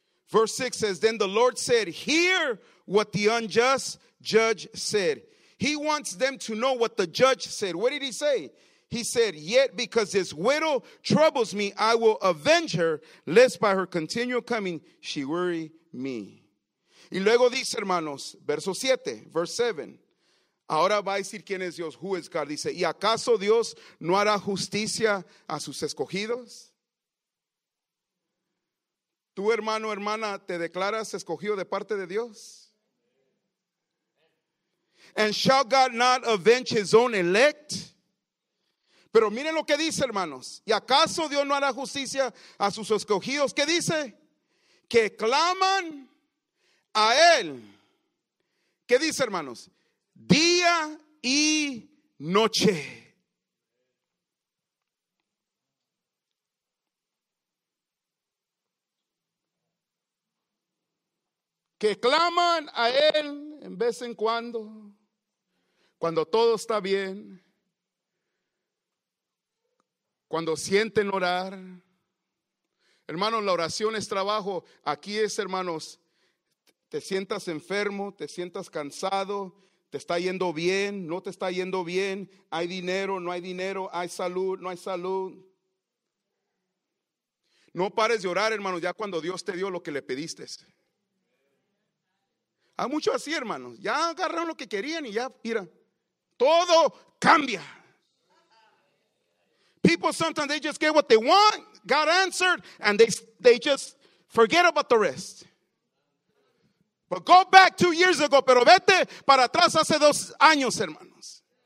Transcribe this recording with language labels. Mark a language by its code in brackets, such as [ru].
[en] Verse 6 says, then the Lord said, hear what the unjust judge said. He wants them to know what the judge said. What did he say? He said, yet because this widow troubles me, I will avenge her, lest by her continual coming she worry me. [es] Y luego dice, hermanos, verso 7, [en] verse 7. [es] Ahora va a decir quién es Dios, [en] who is God. [es] Dice, ¿y acaso Dios no hará justicia a sus escogidos? ¿Tú, hermano, hermana, te declaras escogido de parte de Dios? [en] And shall God not avenge his own elect? [es] Pero miren lo que dice, hermanos. ¿Y acaso Dios no hará justicia a sus escogidos? ¿Qué dice? Que claman a él. ¿Qué dice, hermanos? Día y noche. Que claman a él en vez en cuando. Cuando todo está bien. Cuando sienten orar. Hermanos, la oración es trabajo. Aquí es, hermanos, te sientas enfermo, te sientas cansado, te está yendo bien, no te está yendo bien, hay dinero, no hay dinero, hay salud, no hay salud. No pares de orar, hermanos, ya cuando Dios te dio lo que le pediste. Hay mucho así, hermanos. Ya agarraron lo que querían y ya, mira, todo cambia. [en] People sometimes they just get what they want, God answered, and they just forget about the rest. But go back 2 years ago, [es] pero vete para atrás hace 2 años, hermanos.